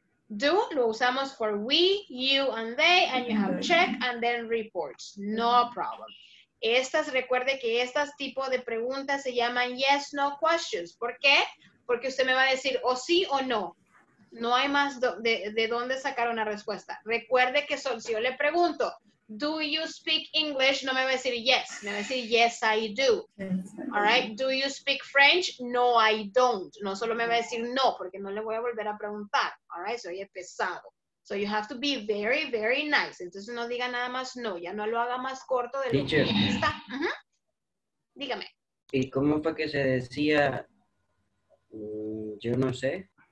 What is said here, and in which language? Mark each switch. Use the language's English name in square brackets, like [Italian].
[English] Do lo usamos for we, you, and they, and you have check, and then reports, no problem. [Spanish] Estas, recuerde que estas tipos de preguntas se llaman yes, no questions. ¿Por qué? Porque usted me va a decir o sí o no. No hay más de dónde sacar una respuesta. Recuerde que solo si yo le pregunto, do you speak English? No me va a decir yes. [English] Me va a decir yes, I do. All right. Do you speak French? No, I don't. [Spanish] No solo me va a decir no, porque no le voy a volver a preguntar. All right. Soy pesado. [English] So you have to be very, very nice. [Spanish] Entonces no diga nada más no. Ya no lo haga más corto de lo que está. Dígame. ¿Y cómo fue que se decía, yo no sé?